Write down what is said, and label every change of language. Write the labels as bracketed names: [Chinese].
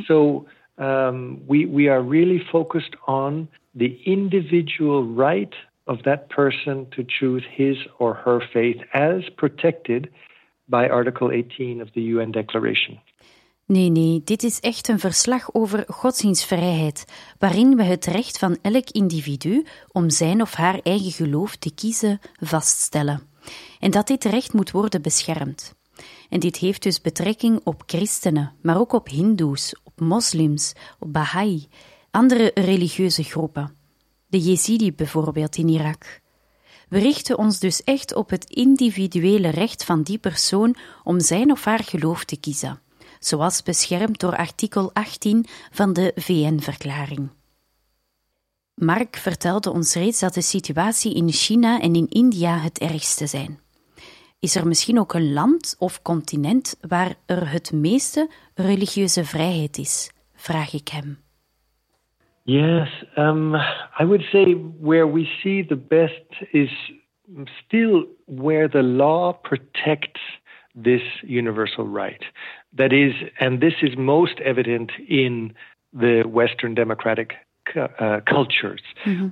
[English] So we are really focused on the individual right of that person to choose his or her faith as protected by Article 18 of the UN Declaration. [Dutch] Nee, dit is echt een verslag over godsdienstvrijheid, waarin we het recht van elk individu om zijn of haar eigen geloof te kiezen vaststellen. En dat dit recht moet worden beschermd. En dit heeft dus betrekking op christenen, maar ook op hindoes, op moslims, op Baha'i, andere religieuze groepen. De Yezidi bijvoorbeeld in Irak. We richten ons dus echt op het individuele recht van die persoon om zijn of haar geloof te kiezen. Zoals beschermd door artikel 18 van de VN-verklaring. Mark vertelde ons reeds dat de situatie in China en in India het ergste zijn. Is er misschien ook een land of continent waar er het meeste religieuze vrijheid is? Vraag ik hem. [English] Yes, I would say where we see the best is still where the law protects this universal right. That is, and this is most evident in the Western democratic cultures, mm-hmm.